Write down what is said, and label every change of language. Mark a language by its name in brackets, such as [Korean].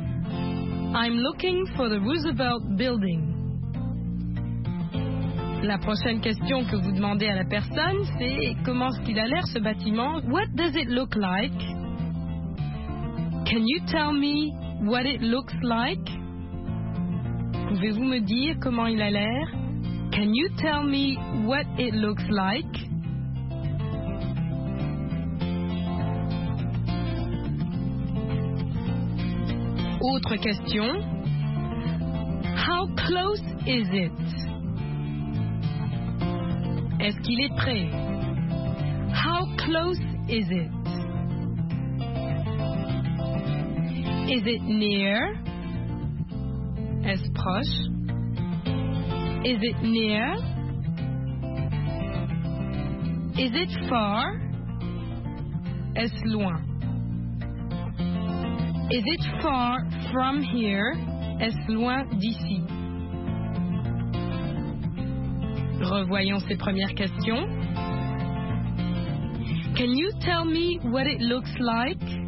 [English] « I'm looking for the Roosevelt Building. [French] » La prochaine question que vous demandez à la personne, c'est « Comment est-ce qu'il a l'air ce bâtiment ?»« [English] What does it look like ?»« Can you tell me what it looks like ?» [French] Pouvez-vous me dire comment il a l'air? [English] Can you tell me what it looks like? [French] Autre question. [English] How close is it? [French] Est-ce qu'il est prêt? [English] How close is it? Is it near? [French] Est-ce proche? [English] Is it near? Is it far? [French] Est-ce loin? [English] Is it far from here? [French] Est-ce loin d'ici? Revoyons ces premières questions. [English] Can you tell me what it looks like?